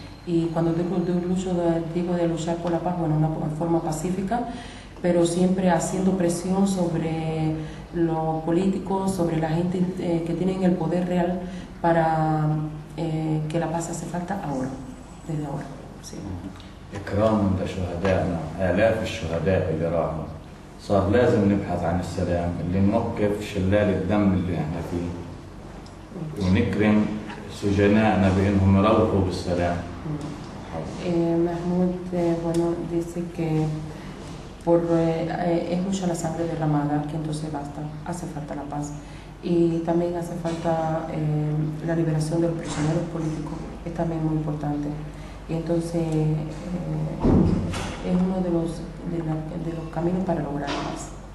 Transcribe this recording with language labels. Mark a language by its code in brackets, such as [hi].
[es] Y cuando digo de luchar por la paz, bueno, una forma pacífica, pero siempre haciendo presión sobre los políticos, sobre la gente que tienen el poder real para que la paz hace falta ahora, desde ahora. Sí. [ar] إكرام لشهدائنا، آلاف الشهداء اللي راحوا، صار لازم نبحث عن السلام اللي نوقف شلال الدم اللي احنا فيه ونكرم سجنائنا بأنهم يروحوا بالسلام. [es] محمود bueno dice que por es mucha la sangre derramada que entonces basta, hace falta la paz y también hace falta la liberación de los prisioneros políticos, es también muy importante. Y entonces es uno de los caminos para lograr la paz.